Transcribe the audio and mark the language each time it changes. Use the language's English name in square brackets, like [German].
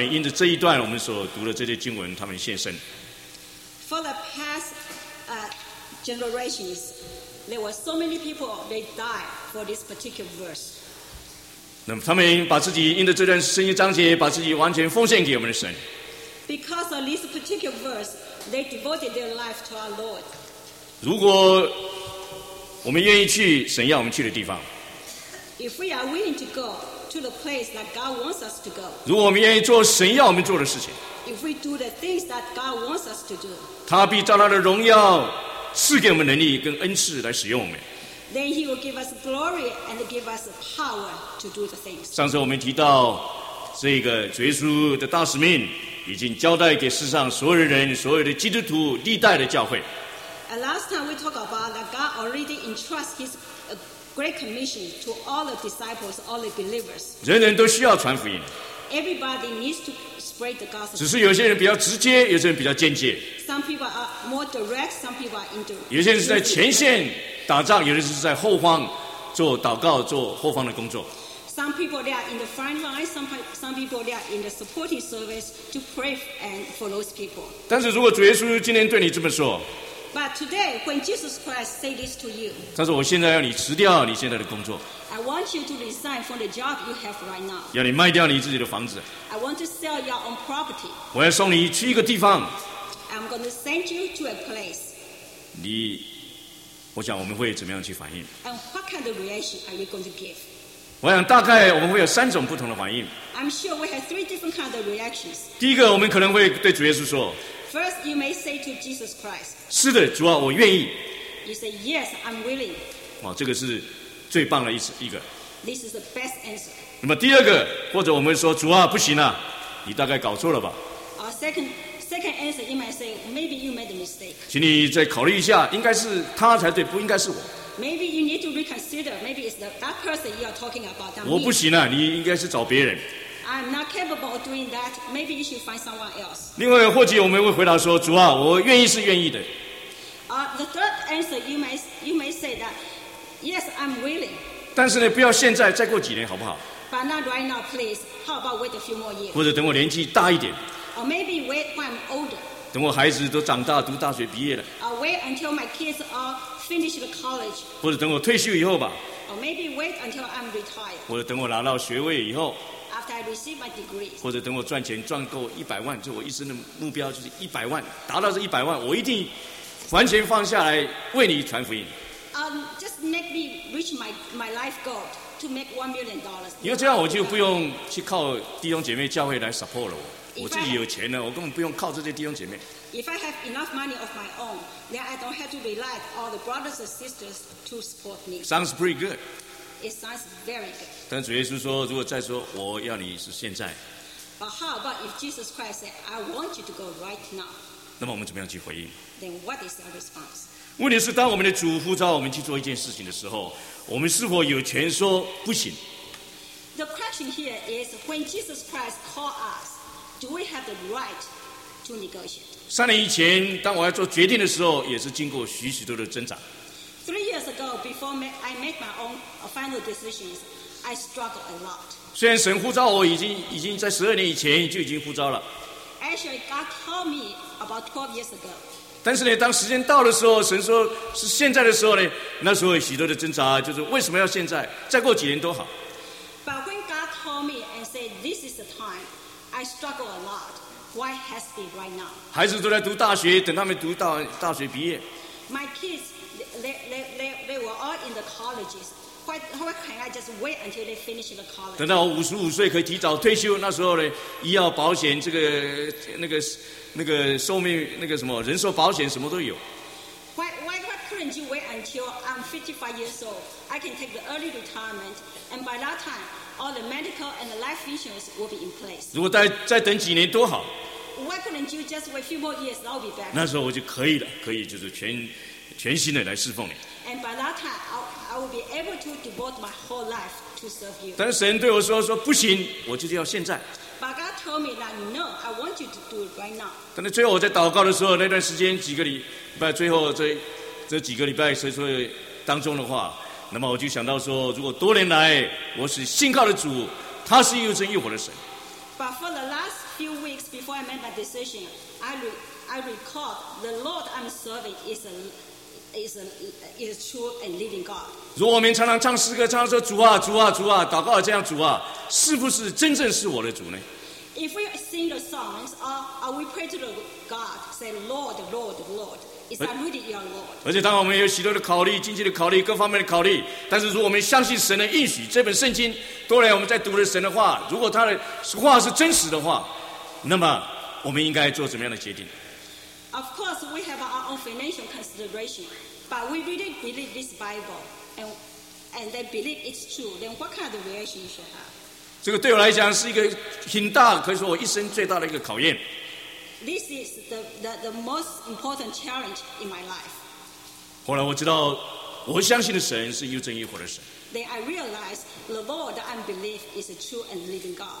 [Chinese] 好，历世历代不知道有多少人因着这一段我们所读的这些经文，他们献身。 [English] For the past generations, there were so many people they died for this particular verse. [Chinese] 那么他们把自己因着这段圣经章节，把自己完全奉献给我们的神。 [English] Because of this particular verse, they devoted their life to our Lord. [Chinese] 如果我们愿意去神要我们去的地方, [English] if we are willing to go to the place that God wants us to go, [Chinese] 如果我们愿意做神要我们做的事情, [English] if we do the things that God wants us to do, [Chinese] 他必照他的荣耀赐给我们能力跟恩赐来使用我们。 [English] Then he will give us glory and give us power to do the things. [Chinese] 上次我们提到, 这个主耶稣的大使命已经交代给世上所有人、所有的基督徒历代的教会。 [English] Last time we talked about that God already entrusts His great commission to all the disciples, all the believers. [Chinese] 人人都需要传福音。 [English] Everybody needs to spread the gospel. [Chinese] 只是有些人比较直接，有些人比较间接。 [English] Some people are more direct, some people are indirect. [Chinese] 有些人是在前线打仗，有些人是在后方做祷告、做后方的工作。 [English] Some people they are in the front line, some people they are in the supporting service to pray and for those people. [Chinese] 但是如果主耶稣今天对你这么说。 [English] But today, when Jesus Christ said this to you, [Chinese] 他说我现在要你辞掉你现在的工作。 [English] I want you to resign from the job you have right now. [Chinese] 要你卖掉你自己的房子。 [English] I want to sell your own property. [Chinese] 我要送你去一个地方。 [English] I'm going to send you to a place. [Chinese] 你，我想我们会怎么样去反应 [English] ？And what kind of reaction are you going to give? [Chinese] 我想大概我们会有三种不同的反应。 [English] I'm sure we have three different kinds of reactions. [Chinese] 第一个，我们可能会对主耶稣说。 [English] First, you may say to Jesus Christ. [Chinese] 是的，主啊，我愿意。 [English] You say yes, I'm willing. [Chinese] 哇，这个是最棒的一个。 [English] This is the best answer. [Chinese] 那么第二个，或者我们说主啊，不行啊，你大概搞错了吧。 [English] Second answer, you might say maybe you made a mistake. [Chinese] 请你再考虑一下，应该是他才对，不应该是我。 [English] Maybe you need to reconsider. Maybe it's that person you are talking about. [Chinese] 我不行啊，你应该是找别人。 [English] I'm not capable of doing that. Maybe you should find someone else. [Chinese] 另外，或许我们会回答说：“主啊，我愿意是愿意的。” [English] The third answer you may say that yes, I'm willing. [Chinese] 但是呢，不要现在，再过几年好不好 [English] ？But not right now, please. How about wait a few more years? [Chinese] 或者等我年纪大一点。 [English] Or maybe wait when I'm older. [Chinese] 等我孩子都长大，读大学毕业了。 [English] Wait until my kids are finished college. [Chinese] 或者等我退休以后吧。 [English] Or maybe wait until I'm retired. [Chinese] 或者等我拿到学位以后。 [English] After I receive my degree, [Chinese] 或者等我赚钱赚够一百万，就我一生的目标就是一百万，达到这一百万，我一定完全放下来为你传福音。 [English] Just make me reach my life goal to make $1 million. [Chinese] 因为这样我就不用去靠弟兄姐妹教会来 support 了我。我自己有钱了，我根本不用靠这些弟兄姐妹。 [English] If I have enough money of my own, then I don't have to rely on all the brothers and sisters to support me. Sounds pretty good. It sounds very good. [Chinese] 但主耶稣说，如果再说我要你是现在 [English] ，But how about if Jesus Christ said I want you to go right now？ [Chinese] 那么我们怎么样去回应 [English] ？Then what is our response？ [Chinese] 问题是，当我们的主呼召我们去做一件事情的时候，我们是否有权说不行 [English] ？The question here is when Jesus Christ called us, do we have the right to negotiate？ [Chinese] 三年以前，当我要做决定的时候，也是经过许许多的挣扎。 [English] Three years ago, before I made my own final decisions, I struggled a lot. [Chinese] 虽然神呼召我已经在十二年以前就已经呼召了。 [English] Actually, God called me about 12 years ago. [Chinese] 但是呢，当时间到的时候，神说是现在的时候呢，那时候有许多的挣扎，就是为什么要现在？再过几年都好。 [English] But when God called me and said this is the time, I struggled a lot. Why has it been right now? [Chinese] 孩子都在读大学，等他们读到大学毕业。 [English] My kids. They were all in the colleges. Why can I just wait until they finish the college? [Chinese] 等到我55岁可以提早退休，那时候呢，医药保险这个那个寿命那个什么人寿保险什么都有。 [English] Why couldn't you wait until I'm 55 years old? I can take the early retirement, and by that time, all the medical and the life insurance will be in place. [Chinese] 如果再等几年多好。 [English] Why couldn't you just wait a few more years? I'll be back. [Chinese] 那时候我就可以了，可以就是全心的来侍奉你。 [English] And by that time, I will be able to devote my whole life to serve you. [Chinese] 但是神对我说不行，我就是要现在。 [English] But God told me that no, I want you to do it right now. [Chinese] 但是最后我在祷告的时候，那段时间几个礼拜，最后这几个礼拜，所以说当中的话，那么我就想到说，如果多年来我是信靠的主，他是又真又活的神。 [English] But for the last few weeks before I made my decision, I recall the Lord I'm serving is true and living God. [Chinese] 如果我们常常唱诗歌，常常说主啊，主啊，主啊，祷告这样主啊，是不是真正是我的主呢 [English] ？If we sing the songs, are we pray to the God, say Lord, Lord, Lord? Is that really your Lord? [Chinese] 而且当我们有许多的考虑，经济的考虑，各方面的考虑，但是如果我们相信神的应许，这本圣经，多年我们在读的神的话，如果他的话是真实的话，那么我们应该做怎么样的决定？ [English] Of course, we have our own financial consideration, but we really believe this Bible, and they believe it's true. Then what kind of reaction you should have? [Chinese] 这个对我来讲是一个很大，可以说我一生最大的一个考验。 [English] This is the most important challenge in my life. [Chinese] 后来我知道，我相信的神是又真又活的神。 [English] Then I realize the Lord that I believe is a true and living God.